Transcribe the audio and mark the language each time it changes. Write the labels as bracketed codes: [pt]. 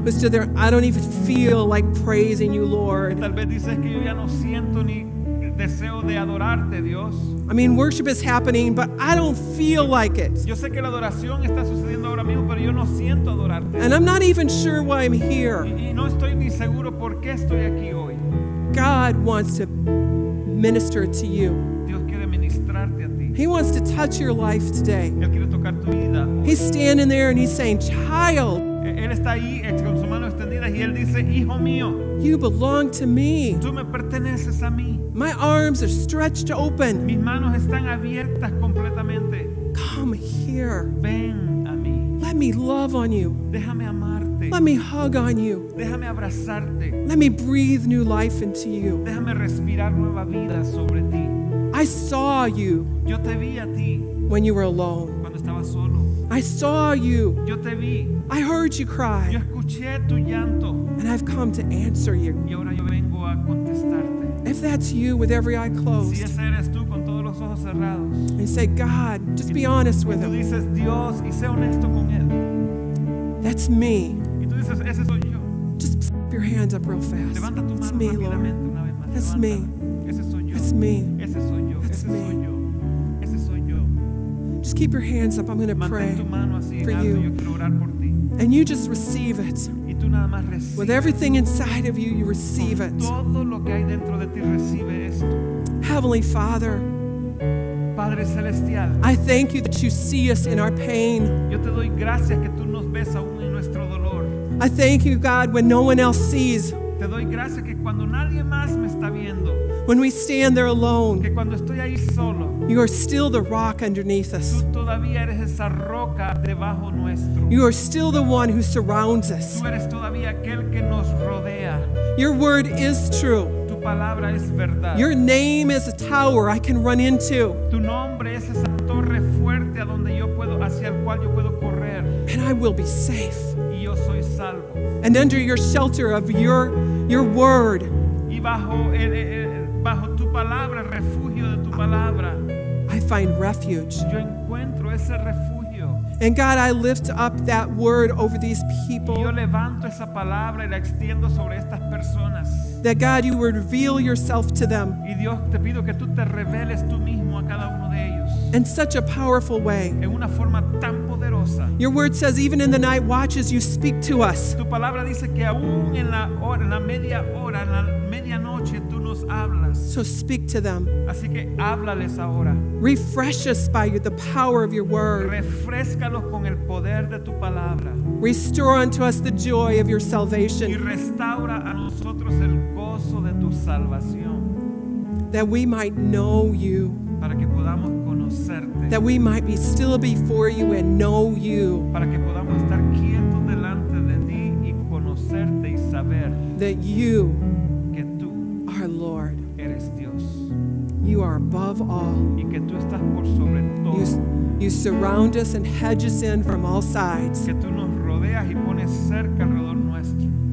[en] Who stood there, I don't even feel like praising you, Lord. [es] Tal vez dices que yo ya no siento ni deseo de adorarte, Dios. [en] I mean, worship is happening, but I don't feel like it. [es] Yo sé que la adoración está sucediendo ahora mismo, pero yo no siento adorarte. [en] And I'm not even sure why I'm here. [es] Y no estoy ni seguro por qué estoy aquí hoy. [en] God wants to minister to you. [es] Dios quiere ministrarte a ti. [en] He wants to touch your life today. [es] Él quiere tocar tu vida. [en] He's standing there and he's saying, child, [es] él está ahí con su mano extendida y él dice, hijo mío, [en] you belong to me. [es] Tú me perteneces a mí. [en] My arms are stretched open. [es] Mis manos están abiertas completamente. [en] Come here. [es] Ven a mí. [en] Let me love on you. [es] Déjame amarte. [en] Let me hug on you. [es] Déjame abrazarte. [en] Let me breathe new life into you. [es] Déjame respirar nueva vida sobre ti. [en] I saw you. [es] Yo te vi a ti. [en] When you were alone. [es] Cuando estaba solo. [en] I saw you. [es] Yo te vi. [en] I heard you cry. [es] Yo escuché tu llanto. [en] And I've come to answer you. [es] Y ahora yo vengo a contestarte. [en] If that's you with every eye closed. [es] Si ese eres tú con todos los ojos cerrados. [en] And you say, God, just be honest with him. [es] Y tú dices, Dios, y sé honesto con él. [en] That's me. [es] Y tú dices, ese soy yo. [en] Just slap your hands up real fast. [es] Levanta tu mano rápidamente una vez más. [en] That's me. [es] Ese soy yo. [en] That's me. [es] Ese soy yo. [en] That's me. [es] Ese soy yo. [en] Just keep your hands up. I'm going to pray for you. [es] Yo quiero orar por ti. [en] And you just receive it. [es] Y tú nada más recibe. [en] With everything inside of you, you receive it. [es] Todo lo que hay dentro de ti recibe esto. [en] Heavenly Father, [es] Padre Celestial. [en] I thank you that you see us in our pain. [es] Yo te doy gracias que tú nos ves aún en nuestro dolor. [en] I thank you, God, when no one else sees. [es] Te doy gracias que cuando nadie más me está viendo. [en] When we stand there alone, [es] que cuando estoy ahí solo, [en] you are still the rock underneath us. [es] Tú todavía eres esa roca debajo nuestro. [en] You are still the one who surrounds us. [es] Tú eres todavía aquel que nos rodea. [en] Your word is true. [es] Tu palabra es verdad. [en] Your name is a tower I can run into. [es] Tu nombre es esa torre fuerte a donde yo puedo, hacia el cual yo puedo correr. [en] And I will be safe. [es] Y yo soy salvo. [en] And under your shelter of your word. [es] Y bajo bajo tu palabra, refugio de tu palabra. [en] I find refuge. [es] Yo encuentro ese refugio. [en] And God, I lift up that word over these people. [es] Yo levanto esa palabra y la extiendo sobre estas personas. [en] That God, you would reveal yourself to them. [es] Y Dios, te pido que tú te reveles tú mismo a cada uno de ellos. [en] In such a powerful way. [es] En una forma tan poderosa. [en] Your word says, even in the night watches, you speak to us. [es] Tu palabra dice que aún en la hora, en la media hora, en la media noche, tú nos hablas. [en] So speak to them. [es] Así que háblales ahora. [en] Refresh us by the power of your word. [es] Refrescalos con el poder de tu palabra. [en] Restore unto us the joy of your salvation. [es] Y restaura a nosotros el gozo de tu salvación. [en] That we might know you. [es] Para que podamos conocerte. [en] That we might be still before you and know you. [es] Para que podamos estar quietos delante de ti y conocerte y saber. [en] That you, [es] que tú, [en] our Lord, [es] eres Dios. [en] You are above all. [es] Y que tú estás por sobre todo. [en] You surround us and hedge us in from all sides. [es] Que tú nos rodeas y pones cerca alrededor nuestro.